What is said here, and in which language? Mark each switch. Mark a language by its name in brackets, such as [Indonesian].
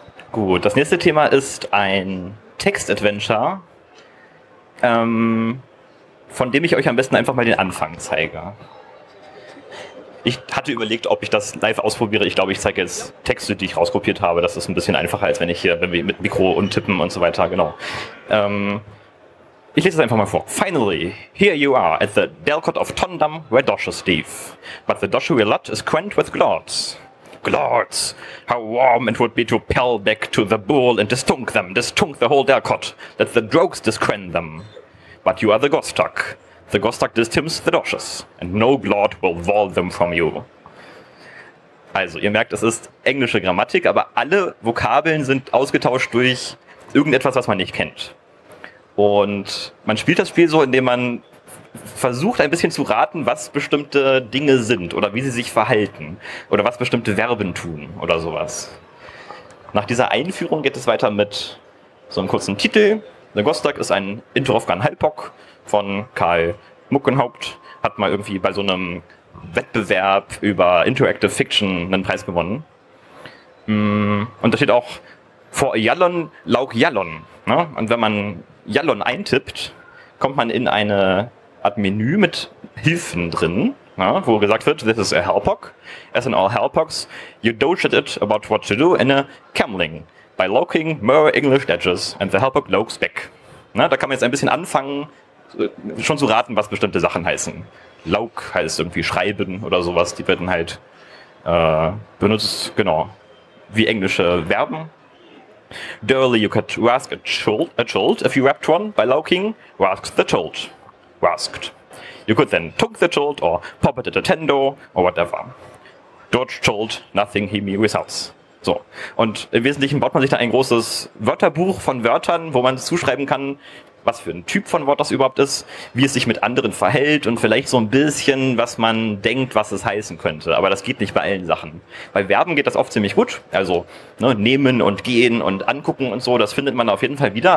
[German] Gut, das nächste Thema ist ein Text-Adventure, von dem ich euch am besten einfach mal den Anfang zeige. Ich hatte überlegt, ob ich das live ausprobiere. Ich glaube, ich zeige jetzt Texte, die ich rauskopiert habe. Das ist ein bisschen einfacher, als wenn ich hier mit Mikro und Tippen und so weiter, genau. Ich lese es einfach mal vor. [English] Finally, here you are at the Delcot of Tondam, where Doshu Steve. But the Doshu we lot is quenched with glots. Glots! How warm it would be to pell back to the bull and distunk them, distunk the whole Delcot. Let the drogues disquen them. But you are the Gostak. The Gostak distims the Doshes, and no glot will wall them from you. [German] Also, ihr merkt, es ist englische Grammatik, aber alle Vokabeln sind ausgetauscht durch irgendetwas, was man nicht kennt. Und man spielt das Spiel so, indem man versucht, ein bisschen zu raten, was bestimmte Dinge sind oder wie sie sich verhalten oder was bestimmte Verben tun oder sowas. Nach dieser Einführung geht es weiter mit so einem kurzen Titel. The Gostak ist ein Introfgan Halbock von Karl Muckenhaupt, hat mal irgendwie bei so einem Wettbewerb über Interactive Fiction einen Preis gewonnen. Und da steht auch vor Jallon Lauk Jallon. Ne? Und wenn man Jallon eintippt, kommt man in eine Art Menü mit Hilfen drin, ja, wo gesagt wird, [English] this is a Halbock. As in all Halbocks, you dochet it about what to do in a Camling by locking more English edges and the Halbock locks back. [German] Na, da kann man jetzt ein bisschen anfangen, schon zu raten, was bestimmte Sachen heißen. Lauk heißt irgendwie schreiben oder sowas, die werden halt benutzt, genau, wie englische Verben. [English] Dearly, you could rask a chult if you wrapped one by locking, rask the chult. Rasked. You could then took the chult or pop it at a tendo or whatever. Dodge chult, nothing he me results. So. [German] Und im Wesentlichen baut man sich da ein großes Wörterbuch von Wörtern, wo man zuschreiben kann, was für ein Typ von Wort das überhaupt ist, wie es sich mit anderen verhält und vielleicht so ein bisschen, was man denkt, was es heißen könnte. Aber das geht nicht bei allen Sachen. Bei Verben geht das oft ziemlich gut. Also ne, nehmen und gehen und angucken und so, das findet man auf jeden Fall wieder.